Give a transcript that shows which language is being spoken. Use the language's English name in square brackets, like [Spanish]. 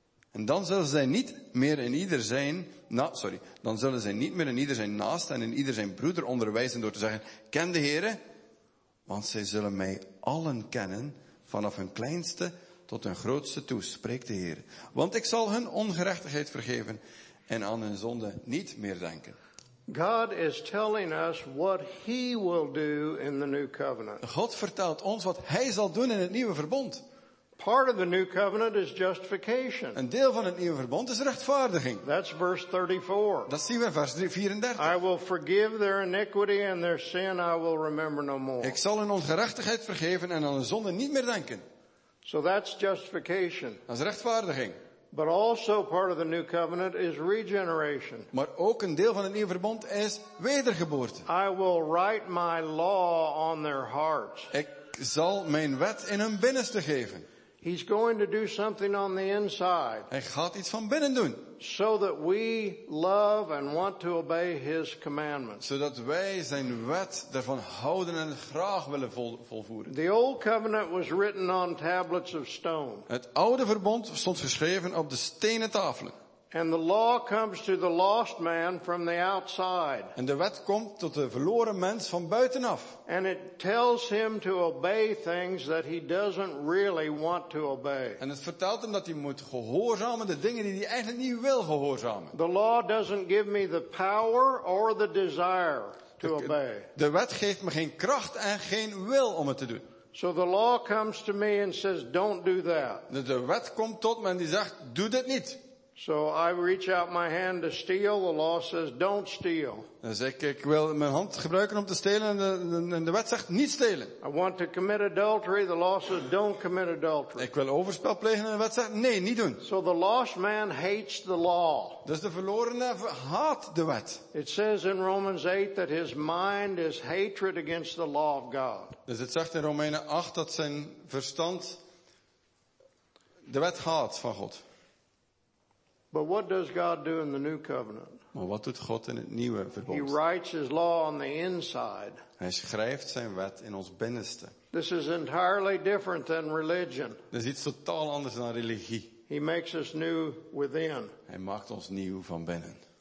[Dutch] En dan zullen zij niet meer in ieder zijn, dan zullen zij niet meer in ieder zijn naast en in ieder zijn broeder onderwijzen door te zeggen, ken de Heere, want zij zullen mij allen kennen, vanaf hun kleinste tot hun grootste toe, spreekt de Heere. Want ik zal hun ongerechtigheid vergeven en aan hun zonde niet meer denken. [English] God is telling us what he will do in the new covenant. [Dutch] God vertelt ons wat hij zal doen in het nieuwe verbond. [English] Part of the new covenant is justification. [Dutch] Een deel van het nieuwe verbond is rechtvaardiging. [English] That's verse 34. [Dutch] Dat zien we in vers 34. [English] I will forgive their iniquity and their sin I will remember no more. [Dutch] Ik zal hun ongerechtigheid vergeven en aan hun zonde niet meer denken. [English] So that's justification. [Dutch] Dat is rechtvaardiging. [English] But also part of the new covenant is regeneration. [Dutch] Maar ook een deel van het nieuwe verbond is wedergeboorte. [English] I will write my law on their hearts. [Dutch] Ik zal mijn wet in hun binnenste geven. [English] He's going to do something on the inside. [Dutch] Hij gaat iets van binnen doen. [English] So that we love and want to obey his commandments. [Dutch] Zodat wij zijn wet ervan houden en graag willen volvoeren. [English] The old covenant was written on tablets of stone. [Dutch] Het oude verbond stond geschreven op de stenen tafelen. [English] And the law comes to the lost man from the outside. [Dutch] En de wet komt tot de verloren mens van buitenaf. [English] And it tells him to obey things that he doesn't really want to obey. [Dutch] En het vertelt hem dat hij moet gehoorzamen de dingen die hij eigenlijk niet wil gehoorzamen. [English] The law doesn't give me the power or the desire to obey. [Dutch] De wet geeft me geen kracht en geen wil om het te doen. [English] So the law comes to me and says, don't do that. [Dutch] De wet komt tot me en die zegt, doe dit niet. [English] So I reach out my hand to steal. The law says, "Don't steal." [Dutch] Dus ik wil mijn hand gebruiken om te stelen, en de wet zegt niet stelen. [English] I want to commit adultery. The law says, "Don't commit adultery." [Dutch] Ik wil overspel plegen, en de wet zegt nee, niet doen. [English] So the lost man hates the law. [Dutch] Dus de verlorene haat de wet. [English] It says in Romans 8 that his mind is hatred against the law of God. [Dutch] Dus het zegt in Romeinen 8 dat zijn verstand de wet haat van God. [English] But what does God do in the new covenant? [Dutch] Maar wat doet God in het nieuwe verbond? [English] He writes his law on the inside. [Dutch] Hij schrijft zijn wet in ons binnenste. [English] This is entirely different than religion. [Dutch] Dat is iets totaal anders dan religie. [English] He makes us new within. [Dutch] Hij maakt ons nieuw van binnen.